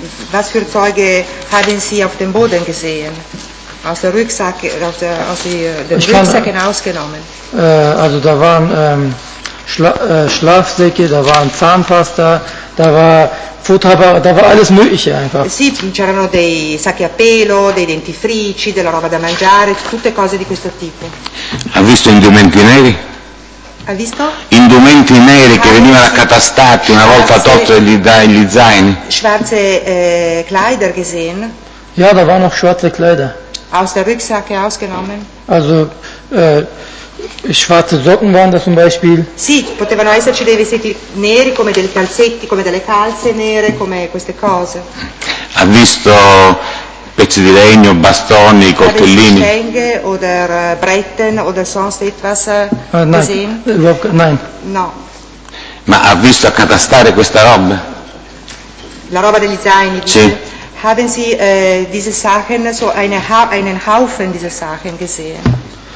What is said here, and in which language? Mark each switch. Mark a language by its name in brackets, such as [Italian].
[German] Was für Zeuge haben Sie auf dem Boden gesehen? Aus der Rucksack, aus den Rucksäcken ausgenommen? Also da waren Schlafsäcke, da waren Zahnpasta, da war Futter, da war alles Mögliche einfach. [Italian] Sì, c'erano dei sacchi a pelo, dei dentifrici, della roba da mangiare, tutte cose di questo tipo. Ha visto indumenti neri? Ha visto? Indumenti neri che venivano accatastati una volta tolti dagli zaini. [German] Schwarze Kleider gesehen? Ja, da waren auch schwarze Kleider. Aus der Rucksäcke ausgenommen? Also schwarze Socken waren da zum Beispiel. [Italian] Sì, potevano esserci dei vestiti neri come dei calzetti, come delle calze nere, come queste cose. Ha visto pezzi di legno, bastoni, coltellini. [German] Schenke oder Bretten oder sonst etwas gesehen? Nein. [Italian] No. Ma ha visto accatastare questa roba? La roba degli zaini? Sì. Dice, [German] haben Sie diese Sachen, so einen Haufen dieser Sachen gesehen?